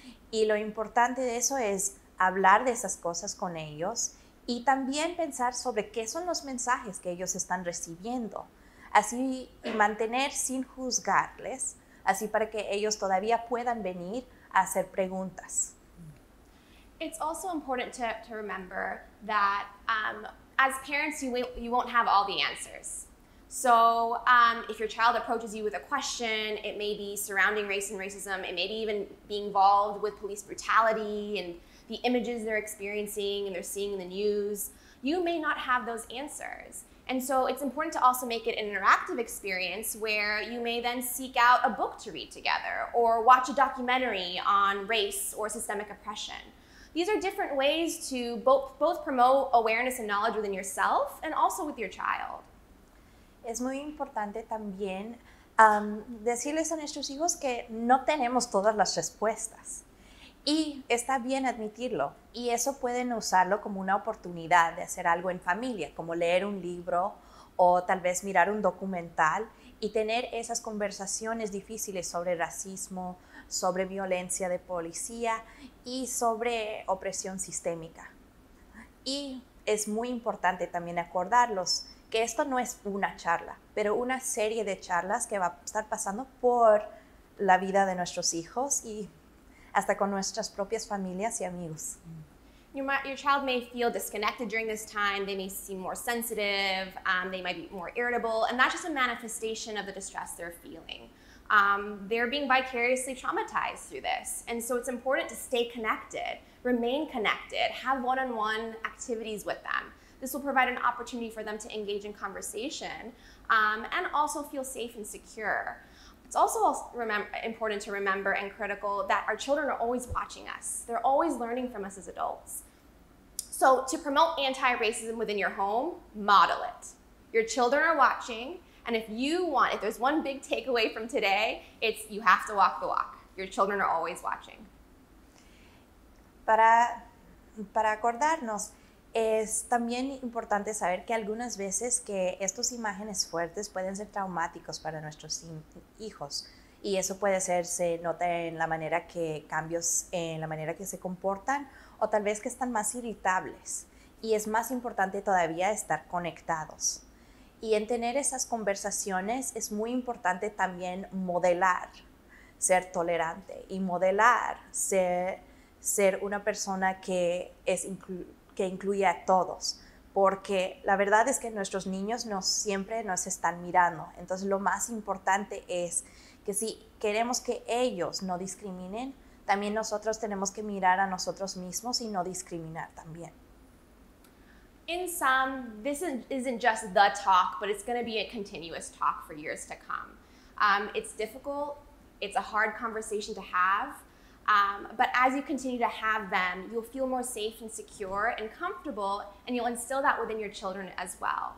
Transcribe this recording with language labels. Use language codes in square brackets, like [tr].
[es] Y lo importante de eso es hablar de esas cosas con ellos y también pensar sobre qué son los mensajes que ellos están recibiendo. Así, y mantener sin juzgarles, así para que ellos todavía puedan venir a hacer preguntas. [en] It's also important to remember that as parents, you won't have all the answers. So if your child approaches you with a question, it may be surrounding race and racism, it may be even being involved with police brutality and the images they're experiencing and they're seeing in the news, you may not have those answers. And so it's important to also make it an interactive experience where you may then seek out a book to read together or watch a documentary on race or systemic oppression. These are different ways to both promote awareness and knowledge within yourself and also with your child. [es] Es muy importante también decirles a nuestros hijos que no tenemos todas las respuestas. Y está bien admitirlo. Y eso pueden usarlo como una oportunidad de hacer algo en familia, como leer un libro o tal vez mirar un documental y tener esas conversaciones difíciles sobre racismo, sobre violencia de policía y sobre opresión sistémica. Y es muy importante también acordarlos que esto no es una charla, pero una serie de charlas que va a estar pasando por la vida de nuestros hijos y hasta con nuestras propias familias y amigos. [en] Your child may feel disconnected during this time. They may seem more sensitive. They might be more irritable. And that's just a manifestation of the distress they're feeling. They're being vicariously traumatized through this. And so it's important to stay connected, remain connected, have one-on-one activities with them. This will provide an opportunity for them to engage in conversation and also feel safe and secure. It's also important to remember and critical that our children are always watching us. They're always learning from us as adults. So to promote anti-racism within your home, model it. Your children are watching, and if there's one big takeaway from today, it's you have to walk the walk. Your children are always watching. [es] Para acordarnos, es también importante saber que algunas veces que estas imágenes fuertes pueden ser traumáticos para nuestros hijos. Y eso puede hacerse nota en la manera que cambios en la manera que se comportan o tal vez que están más irritables. Y es más importante todavía estar conectados. Y en tener esas conversaciones es muy importante también modelar, ser tolerante y modelar, ser una persona que es que incluye a todos, porque la verdad es que nuestros niños no siempre nos están mirando. Entonces, lo más importante es que si queremos que ellos no discriminen, también nosotros tenemos que mirar a nosotros mismos y no discriminar también. [en] In sum, this isn't just the talk, but it's going to be a continuous talk for years to come. It's difficult, it's a hard conversation to have, but as you continue to have them, you'll feel more safe and secure and comfortable, and you'll instill that within your children as well.